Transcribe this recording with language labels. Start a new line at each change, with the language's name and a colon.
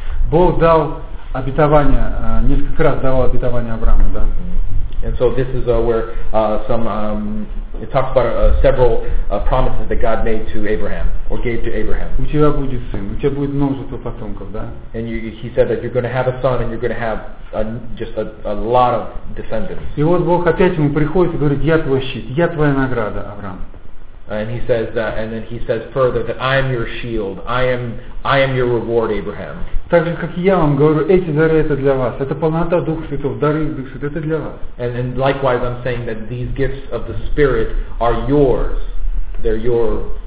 Russian: Бог дал обетование, несколько раз давал обетование Аврааму, да?
English: And so this is where it talks about several promises that God made to Abraham or gave to Abraham.
Russian: У тебя будет сын, у тебя будет множество потомков, да?
English: And he said that you're going to have a son and you're going to have a lot of descendants.
Russian: И вот Бог опять ему приходит и говорит: я твой щит, я твоя награда, Авраам.
English: And he says that, and then he says further that I am your shield, I am your reward, Abraham.
Russian: Так же, как я вам говорю, эти дары это для вас, это полнота Духа Святого, дары Духа Святого это для вас.
English: And likewise, I'm saying that these gifts of the Spirit are yours, they're yours.